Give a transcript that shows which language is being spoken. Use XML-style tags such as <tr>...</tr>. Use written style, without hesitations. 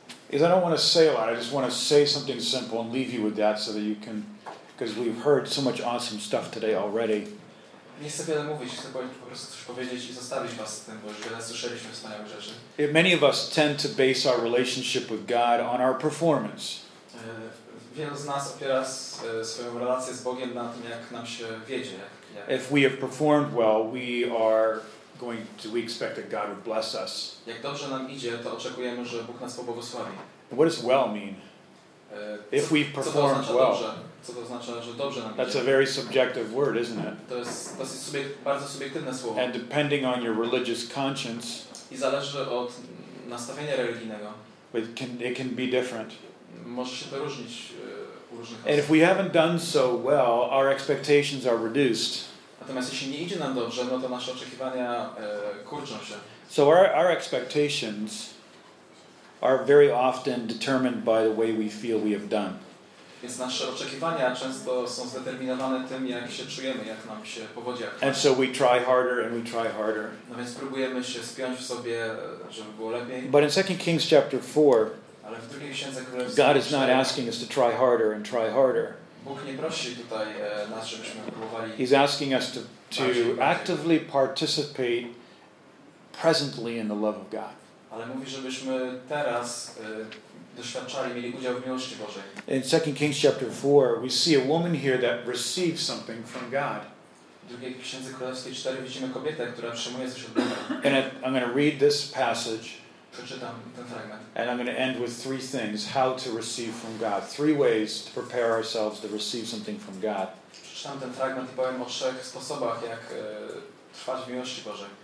<en>Is I don't want to say a lot. I just want to say something simple and leave you with that so that you can, because we've heard so much awesome stuff today already.</en> <pl>Nie chcę wiele mówić, chcę po prostu coś powiedzieć i zostawić was z tym, bo już wiele słyszeliśmy wspaniałych rzeczy.</pl> <en>Many of us tend to base our relationship with God on our performance.</en> <pl>Wielu z nas opiera swoją relację z Bogiem na tym, jak nam się wiedzie.</pl> <en>If we have performed well, we are going to, we expect that God would bless us.</en> <pl>Jak dobrze nam idzie, to oczekujemy, że Bóg nas pobłogosławi.</pl> <en>What does well mean? If we've performed well.</en> <pl>Co to oznacza, że dobrze nam idzie?</pl> <en>That's a very subjective word, isn't it?</en> <pl>To jest dosyć bardzo subiektywne słowo.</pl> <en>And depending on your religious conscience,</en> <pl>i zależy od nastawienia religijnego,</pl> <en>it can be different.</en> <pl>Może się to różnić.</pl> <en>And if we haven't done so well, our expectations are reduced.</en> <pl>Natomiast jeśli nie idzie nam dobrze, no to nasze oczekiwania kurczą się.</pl> <en>So our expectations are very often determined by the way we feel we have done.</en> <pl>Więc nasze oczekiwania często są zdeterminowane tym, jak się czujemy, jak nam się powodzi.</pl> <en>And so we try harder and we try harder.</en> <pl>No więc próbujemy się spiąć w sobie, żeby było lepiej.</pl> <en>But in 2 Kings chapter 4,</en> <pl>ale w drugiej księdze królewskiej,</pl> <en>God is not asking us to try harder and try harder.</en> <pl>Bóg nie prosi tutaj nas, żebyśmy próbowali.</pl> <en>He's asking us to actively participate presently in the love of God.</en> <pl>Ale mówi, żebyśmy teraz doświadczali, mieli udział w miłości Bożej.</pl> <en>In 2 Kings chapter 4, we see a woman here that received something from God.</en> <pl>W drugiej Księdze Królewskiej 4 widzimy kobietę, która przyjmuje coś od Boga.</pl> <en>And I'm going to read this passage.</en> <pl>Przeczytam ten fragment.</pl> <en>And I'm going to end with three things, how to receive from God. Three ways to prepare ourselves to receive something from God.</en> <pl>Przeczytam ten fragment i powiem o trzech sposobach, jak trwać w miłości Bożej.</pl>